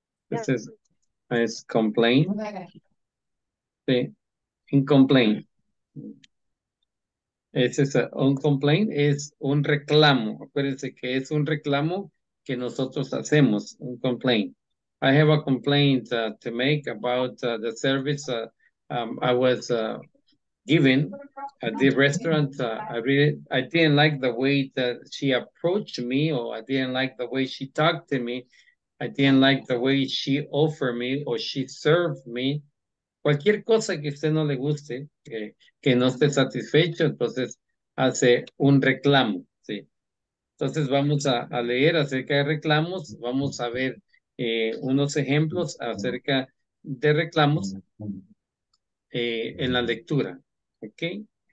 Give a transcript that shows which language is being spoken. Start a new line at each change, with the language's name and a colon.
Spanish: Este es complaint. Sí, incomplaint. Un complaint es un reclamo. Acuérdense que es un reclamo que nosotros hacemos, un complaint.
English: I have a complaint to make about the service I was given at the restaurant. I didn't like the way that she approached me, or I didn't like the way she talked to me. I didn't like the way she offered me or she served me.
Spanish: Cualquier cosa que a usted no le guste, que no esté satisfecho, entonces hace un reclamo, ¿sí? Entonces vamos a leer acerca de reclamos, vamos a ver unos ejemplos acerca de reclamos en la lectura, ¿ok?